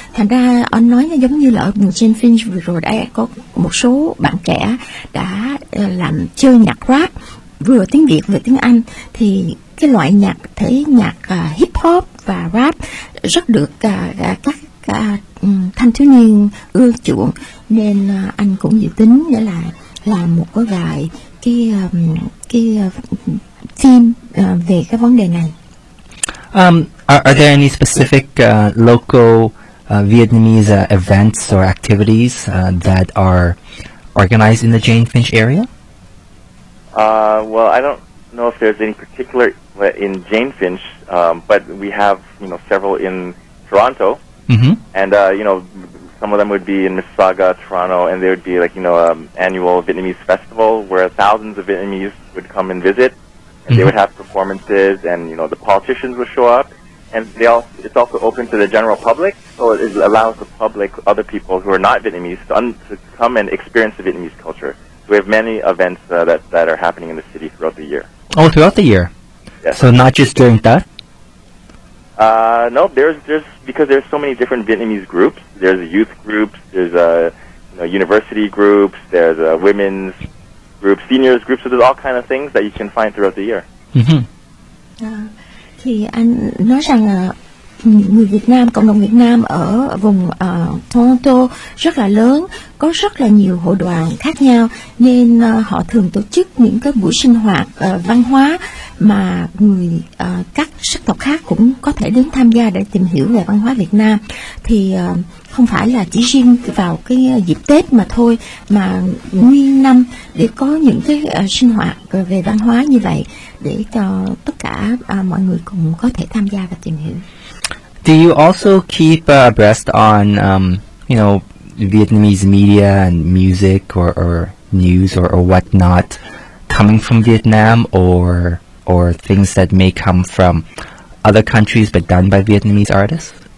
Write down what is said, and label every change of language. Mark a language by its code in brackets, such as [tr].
[vi] Thành ra anh nói giống như là ở Gen Finch vừa rồi đã có một số bạn trẻ đã làm chơi nhạc rap vừa tiếng Việt vừa tiếng Anh, thì cái loại nhạc thể nhạc hip hop và rap rất được các thanh thiếu niên ưa chuộng, nên anh cũng dự tính để là làm một cái vài cái phim về cái vấn đề này. [en] Are there any specific local Vietnamese events or activities that are organized in the Jane Finch area? Well, I don't know if there's any particular in Jane Finch, but we have, you know, several in Toronto. Mm-hmm. And, you know, some of them would be in Mississauga, Toronto, and there would be, like, you know, an annual Vietnamese festival where thousands of Vietnamese would come and visit. Mm-hmm. They would have performances, and, you know, the politicians would show up. And they also, it's also open to the general public, so it allows the public, other people who are not Vietnamese, to come and experience the Vietnamese culture. So we have many events that are happening in the city throughout the year. Oh, throughout the year? Yes. So not just during that? No, there's because there's so many different Vietnamese groups. There's youth groups, there's you know, university groups, there's women's groups, seniors groups. So there's all kinds of things that you can find throughout the year. Mm-hmm. [vi] Thì anh nói rằng người Việt Nam, cộng đồng Việt Nam ở vùng Toronto rất là lớn, có rất là nhiều hội đoàn khác nhau, nên họ thường tổ chức những cái buổi sinh hoạt văn hóa mà người các sắc tộc khác cũng có thể đến tham gia để tìm hiểu về văn hóa Việt Nam. Thì không phải là chỉ riêng vào cái dịp Tết mà thôi, mà nguyên năm để có những cái sinh hoạt về văn hóa như vậy để cho tất cả mọi người cùng có thể tham gia và tìm hiểu. [en] Do you also keep abreast on, you know, Vietnamese media and music or news or whatnot coming from Vietnam or things that may come from other countries but done by Vietnamese artists?